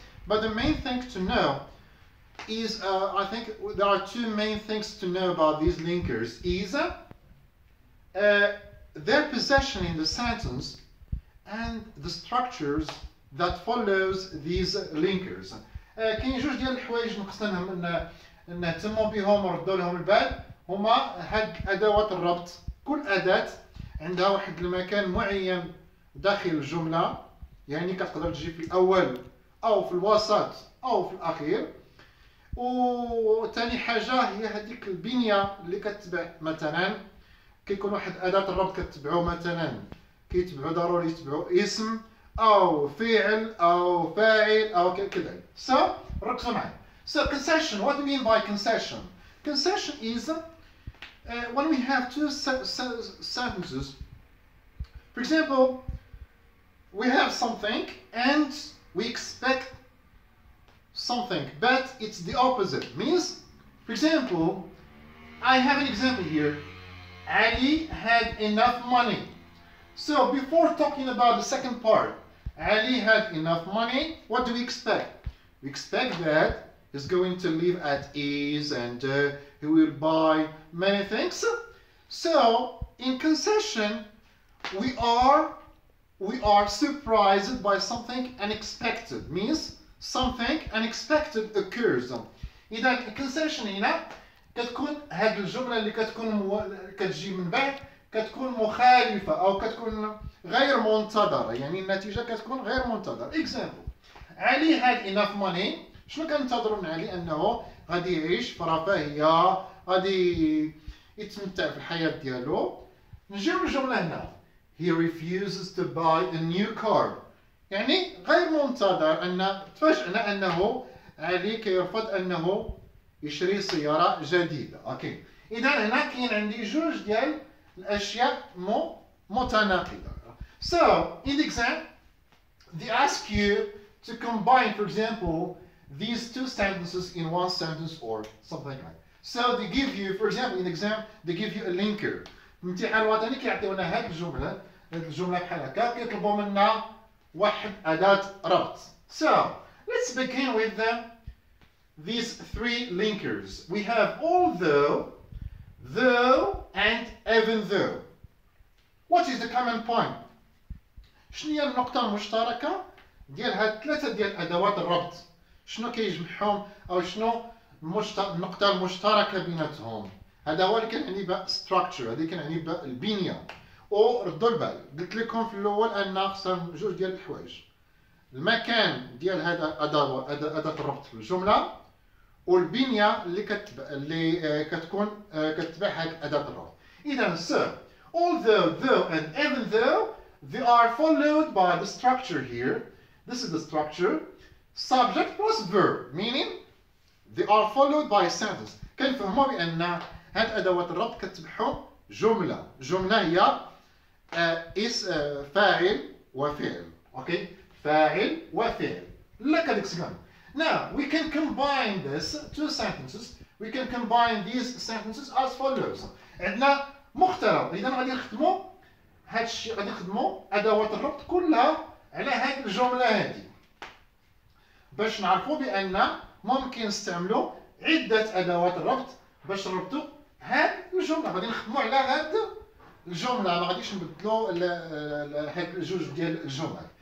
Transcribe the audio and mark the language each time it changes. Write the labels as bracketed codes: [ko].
[en] But the main thing to know is, I think there are two main things to know about these linkers, is their position in the sentence and the structures that follows these linkers. [ar] كاين جوج ديال الحوايج نقصناهم نهتموا بهم وردوا لهم البال هما هاد ادوات الربط. كل اداه عندها واحد المكان معين داخل الجمله، يعني كتقدر تجي في الاول او في الوسط او في الاخير. وثاني حاجه هي هذيك البنيه اللي كتبع، مثلا كيكون واحد اداه الربط كتبعو، مثلا كيتبعو ضروري يتبعو اسم او فعل او فاعل او كذا. So ركزوا معايا. [en] So concession, what do you mean by concession? Concession is when we have two sentences. For example, we have something and we expect something, but it's the opposite. Means, for example, I have an example here. Ali had enough money. So before talking about the second part, Ali had enough money, what do we expect? We expect that he's going to live at ease and he will buy many things. So in concession, we are surprised by something unexpected. Means something unexpected occurs. [ar] إذا concession هنا كتكون هاد الجملة اللي كتكون كتجي من بعد كتكون مخالفة أو كتكون غير منتظرة، يعني النتيجة كتكون غير منتظرة. [en] Example: علي had enough money. [ar] شنو كنتظروا من علي؟ أنه غادي يعيش في رفاهية، غادي يتمتع في الحياة ديالو. نجيب الجملة هنا: [en] He refuses to buy a new car. [ar] يعني غير منتظر، ان تفاجئنا انه علي كيرفض انه يشري سياره جديده. اوكي، اذا هنا كاين عندي جوج ديال الاشياء متناقضه. [en] So in the exam they ask you to combine, for example, these two sentences in one sentence or something like that. So they give you, for example, in the exam they give you a linker. [ar] الامتحان الوطني كيعطيونا هاد الجمله، هاد الجمله بحال هكا، كيطلبوا منا واحد أداة ربط. [en] So let's begin with these three linkers. We have although, though, and even though. What is the common point? [ar] شنو هي النقطة المشتركة ديال هاد ثلاثة ديال أدوات الربط؟ شنو كيجمعهم أو شنو النقطة المشتركة بيناتهم؟ هذا هو اللي كنعني بـ structure، هذه كنعني بـ البنية. او ردوا البال، قلت لكم في الاول ان خصهم جوج ديال الحوايج، المكان ديال هذا اداه الربط في الجمله، والبنيه اللي كتبع هذه اداه الربط. اذا سير [en] although though and even though they are followed by the structure here This is the structure. Subject plus verb, meaning they are followed by a sentence. [ar] كيف فهموا بأن هاد أدوات الربط كتبحهم جملة. جملة هي فاعل وفعل. Okay, فاعل وفعل. [en] Look at this one. Now we can combine this two sentences. We can combine these sentences as follows. [ar] عندنا مختلط. إذا غادي نخدمو هاد الشيء غادي نخدمو أدوات الربط كلها على هاد الجملة هادي. باش نعرفوا بأن ممكن نستعملوا عدة أدوات الربط باش نربطوا هاد الجملة. غادي نخدموا على هاد الجملة، ما غاديش نبدلوا هاد الجوج ديال الجمل.